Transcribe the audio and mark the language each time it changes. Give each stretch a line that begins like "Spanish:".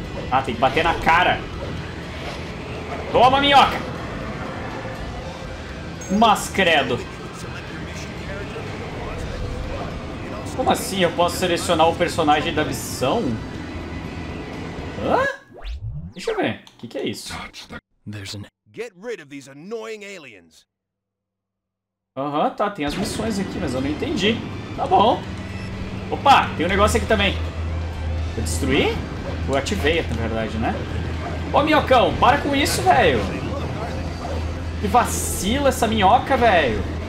Portuguese: Ah, tem que bater na cara. Toma, minhoca! Mas credo. Como assim eu posso selecionar o personagem da missão? Hã? Deixa eu ver. O que, que é isso?
English: Get rid of these annoying aliens.
Portuguese: Aham, tá. Tem as missões aqui, mas eu não entendi. Tá bom. Opa, tem um negócio aqui também. Vou destruir? Eu ativei, na verdade, né? Ô, minhocão, para com isso, velho. Que vacila essa minhoca, velho.